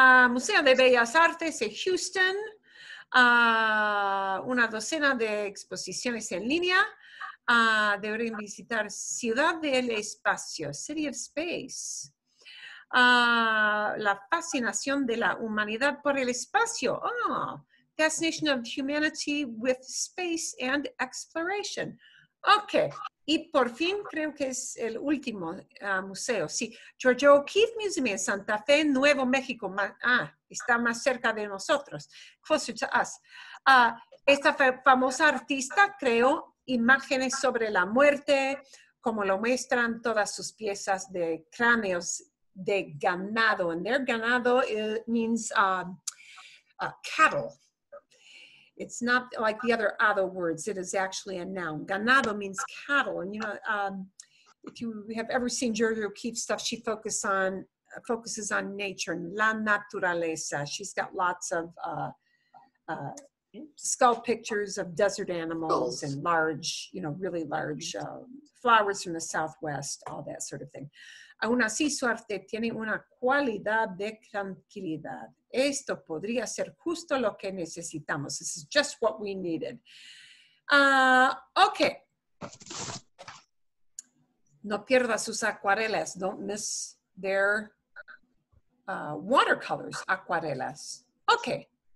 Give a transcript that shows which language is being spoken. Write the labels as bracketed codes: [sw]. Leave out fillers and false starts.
[es] Museo de Bellas Artes de Houston, una docena de exposiciones en línea. Deberían visitar Ciudad del Espacio, [en] City of Space. [es] La fascinación de la humanidad por el espacio. [en] Oh, fascination of humanity with space and exploration. [es] Okay, y por fin creo que es el último museo. Sí, George O'Keeffe Museum en Santa Fe, Nuevo México. Está más cerca de nosotros. [en] Closer to us. [es] Esta famosa artista creó imágenes sobre la muerte, como lo muestran todas sus piezas de cráneos de ganado. [en] And their ganado means cattle. It's not like the other other words. It is actually a noun. Ganado means cattle. And you know, if you have ever seen Georgia O'Keeffe stuff, she focuses on nature, la naturaleza. She's got lots of skull pictures of desert animals and large, you know, really large flowers from the southwest, all that sort of thing. [es] Aún así, su arte tiene una cualidad de tranquilidad. Esto podría ser justo lo que necesitamos. [en] This is just what we needed. Okay. [es] No pierda sus acuarelas. [en] Don't miss their watercolors, [es] acuarelas. Okay.